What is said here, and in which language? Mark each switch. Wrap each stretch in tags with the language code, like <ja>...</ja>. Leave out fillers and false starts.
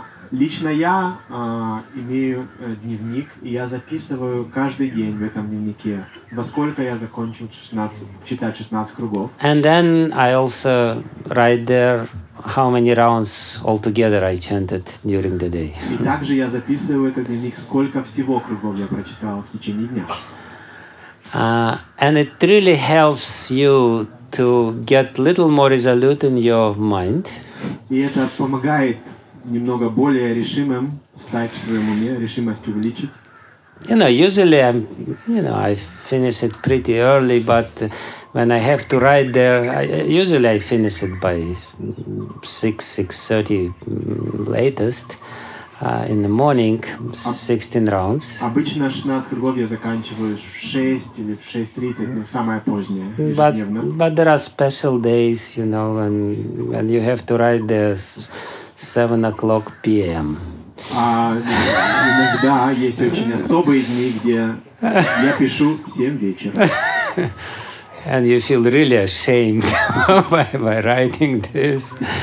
<ru>Лично я имею дневник, и я записываю каждый день в этом дневнике, во сколько я закончил читать 16 кругов.</ru> <en>And then I also write there how many rounds altogether I chanted during the day.</en> <ru>И также я записываю этот дневник, сколько всего кругов я прочитал в течение дня.</ru> <en>And it really helps you to get a little more resolute in your mind.</en> <ru>И это помогает немного более решимым стать в своем уме, решимость увеличить.</ru> <en>You know, usually I'm, I finish it pretty early, but when I have to write there, I finish it by 6:30 latest in the morning, 16 rounds.</en> <ru>Обычно 16 кругов я заканчиваю в 6 или в 6:30, самое позднее, ежедневно.</ru> <en>But there are special days, you know, when you have to write there 7 o'clock p.m.</en> <ru>Иногда есть очень особые дни, где я пишу 7 вечера.</ru> <en>and you feel really ashamed by writing this.</en>